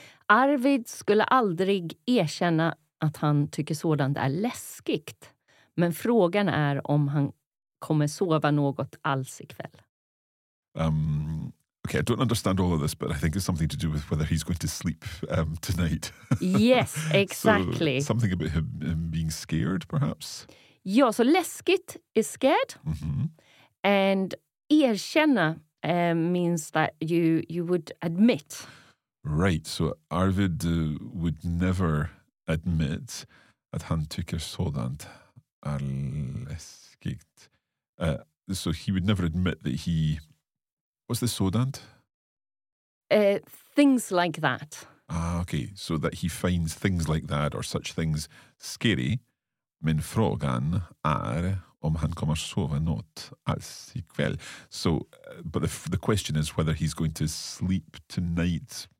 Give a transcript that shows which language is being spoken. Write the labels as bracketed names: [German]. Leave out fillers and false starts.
[Swedish] Arvid skulle aldrig erkänna att han tycker sådant är läskigt. Men frågan är om han kommer sova något alls ikväll. [English] Okay, I don't understand all of this, but I think it's something to do with whether he's going to sleep tonight. Yes, exactly. So, something about him being scared, perhaps? [Swedish] Ja, så läskigt [English] is scared. Mm-hmm. And erkänna means that you would admit... Right, so Arvid would never admit [Swedish] att han tycker sådant är läskigt. [English] So he would never admit that he... What's the sådant? Things like that. Ah, okay. So that he finds things like that or such things scary. [Swedish] Men frågan är om han kommer sova något alls ikväll. [English] So, but the question is whether he's going to sleep tonight...